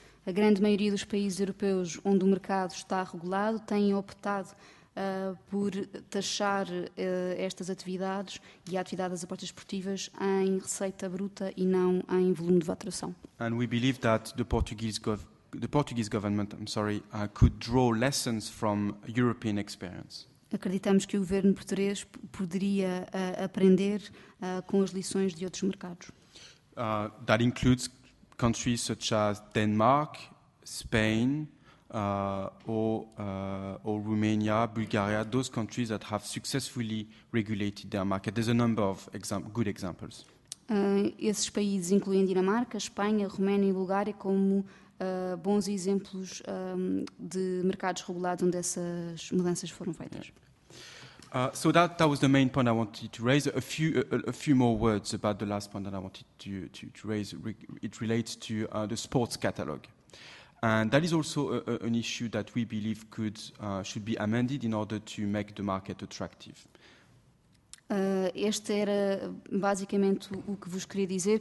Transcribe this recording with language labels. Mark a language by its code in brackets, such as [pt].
[pt] A grande maioria dos países europeus onde o mercado está regulado têm optado por taxar estas atividades e a atividade das apostas esportivas em receita bruta e não em volume de faturação. [en] And we believe that the Portuguese government could draw lessons from European experience. [pt] Acreditamos que o governo português poderia aprender com as lições de outros mercados. [en] That includes countries such as Denmark, Spain, or Romania, Bulgaria, those countries that have successfully regulated their market. There's a number of good examples. [pt] Esses países incluem Dinamarca, Espanha, Romênia e Bulgária como bons exemplos de mercados regulados onde essas mudanças foram feitas. Yeah. [en] So that was the main point I wanted to raise. A few more words about the last point that I wanted to raise. It relates to the sports catalog. And that is also an issue that we believe should be amended in order to make the market attractive. [pt] Este era basicamente o que vos queria dizer.